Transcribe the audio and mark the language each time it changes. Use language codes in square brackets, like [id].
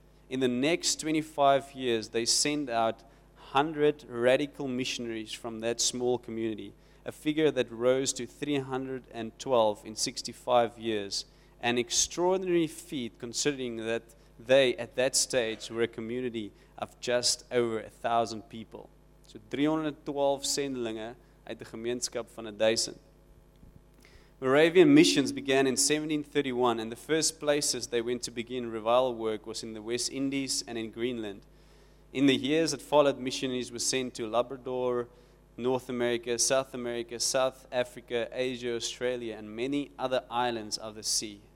[en] In the next 25 years, they sent out 100 radical missionaries from that small community, a figure that rose to 312 in 65 years, an extraordinary feat considering that they, at that stage, were a community of just over 1,000 people. [af] So 312 sendelinge uit de gemeenschap van 1,000. [en] Moravian missions began in 1731, and the first places they went to begin revival work was in the West Indies and in Greenland. In the years that followed, missionaries were sent to Labrador, North America, South Africa, Asia, Australia, and many other islands of the sea.